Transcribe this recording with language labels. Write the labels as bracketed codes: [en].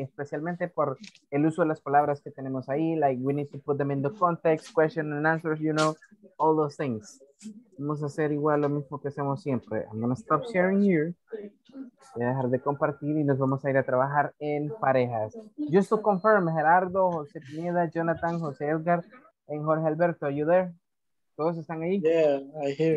[es] Especialmente por el uso de las palabras que tenemos ahí. [en] Like, we need to put them in the context, question and answers, you know, all those things. [es] Vamos a hacer igual lo mismo que hacemos siempre. [en] I'm going to stop sharing here. [es] Voy a dejar de compartir y nos vamos a ir a trabajar en parejas. [en] Just to confirm, Gerardo, José Pineda, Jonathan, José Edgar, and Jorge Alberto, are you there? [es] ¿Todos están ahí? [en] Yeah, I hear.